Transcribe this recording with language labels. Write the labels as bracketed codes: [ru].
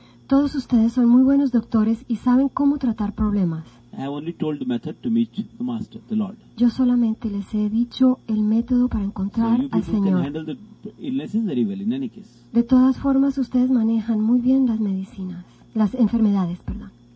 [es] Todos ustedes son muy buenos doctores y saben cómo tratar problemas. [en] I have only told the method to meet the master, the Lord. [es] Yo solamente les he dicho el método para encontrar [en] so [es] al Señor. [en] You can handle the illnesses very well in any case. [es] De todas formas, ustedes manejan muy bien las medicinas, las enfermedades, perdón.